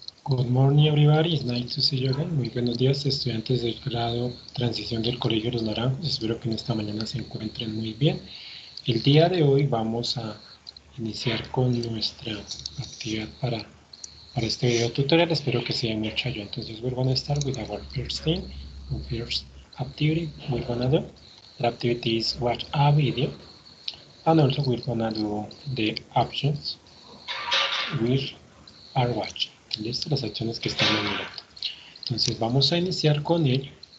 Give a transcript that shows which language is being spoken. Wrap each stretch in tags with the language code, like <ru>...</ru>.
<en>Good morning, everybody. It's nice to see you again.</en> <es>Muy buenos días, estudiantes del grado Transición del Colegio Los Naranjos. Espero que en esta mañana se encuentren muy bien. El día de hoy vamos a iniciar con nuestra actividad para este video tutorial. Espero que sea de mucha ayuda.</es> <en>Entonces, we're going to start with our first thing, first activity we're going to do. The activity is watch a video. And also, we're going to do the options we are watching.</en> <es>Listo, las acciones que están en directo. Entonces vamos a iniciar con él.</es>